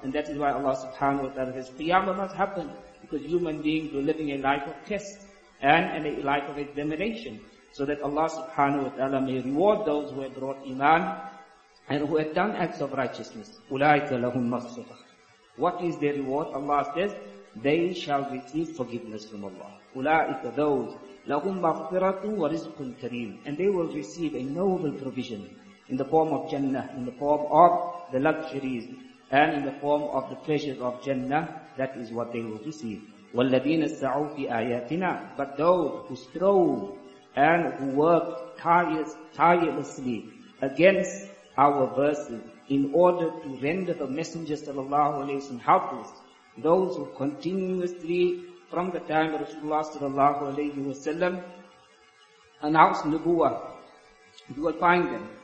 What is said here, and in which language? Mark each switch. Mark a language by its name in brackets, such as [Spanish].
[English] And that is why Allah subhanahu wa ta'ala says, Qiyamah must happen, because human beings are living a life of test and a life of examination, so that Allah subhanahu wa ta'ala may reward those who have brought iman and who have done acts of righteousness. [Arabic] أُولَٰئِكَ لَهُمْ مَغْفِرَةٌ. [English] What is their reward? Allah says, they shall receive forgiveness from Allah. [Arabic] أُولَٰئِكَ [English] those, [Arabic] لَهُمْ مَغْفِرَةٌ وَرِزْقٌ كَرِيمٌ. [English] And they will receive a noble provision in the form of Jannah, in the form of the luxuries, and in the form of the pleasures of Jannah. That is what they will receive. [Arabic] وَالَّذِينَ سَعُوا فِي آيَاتِنَا. [English] But those who strove and who worked tirelessly against our verses in order to render the Messenger sallallahu alayhi wa sallam helpless, those who continuously from the time of Rasulullah sallallahu alayhi wa sallam announced Nubuwwah, you will find them.